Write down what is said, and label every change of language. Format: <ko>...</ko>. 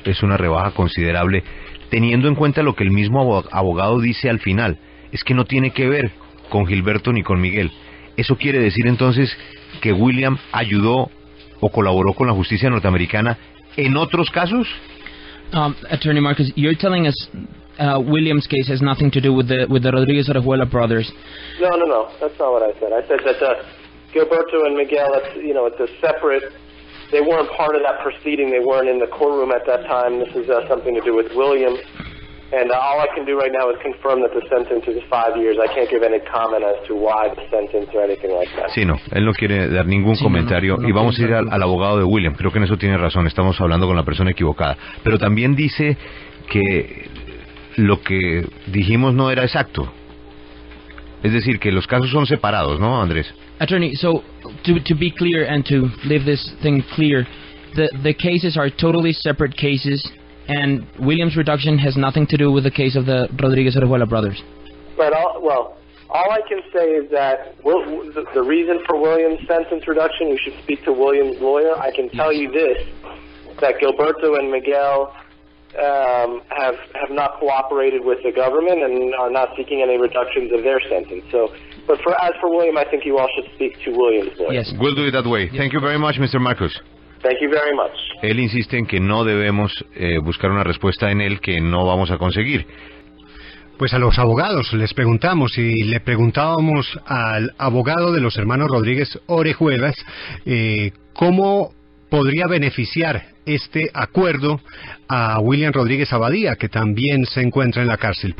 <es>Es una rebaja considerable, teniendo en cuenta lo que el mismo abogado dice al final, es que no tiene que ver con Gilberto ni con Miguel. ¿Eso quiere decir entonces que William ayudó o colaboró con la justicia norteamericana en otros casos?</es> <en>Attorney Marcus, you're telling us William's case has nothing to do with the Rodriguez Orejuela brothers. No, that's not what I said. I said that Gilberto and Miguel, it's a separate, they weren't part of that proceeding, they weren't in the courtroom at that time. This is something to do with William, And all I can do right now is confirm that the sentence is 5 years. I can't give any comment as to why the sentence or anything like that.</en> <es>Sí, no. Él no quiere dar ningún comentario. No, y vamos a ir al abogado de William. Creo que en eso tiene razón. Estamos hablando con la persona equivocada. Pero también dice que lo que dijimos no era exacto. Es decir, que los casos son separados, ¿no, Andrés?</es> <en>Attorney, so to be clear and to leave this thing clear, the cases are totally separate cases, and William's reduction has nothing to do with the case of the Rodriguez Orejuela brothers. But all I can say is that the reason for William's sentence reduction, you should speak to William's lawyer. I can tell you this, that Gilberto and Miguel have not cooperated with the government and are not seeking any reductions of their sentence. So, but as for William, I think you all should speak to William's lawyer. Yes, we'll do it that way. Yes. Thank you very much, Mr. Marcus. Thank you very much.</en> <es>Él insiste en que no debemos buscar una respuesta en él que no vamos a conseguir. Pues a los abogados les preguntamos y le preguntábamos al abogado de los hermanos Rodríguez Orejuelas cómo podría beneficiar este acuerdo a William Rodríguez Abadía, que también se encuentra en la cárcel.</es>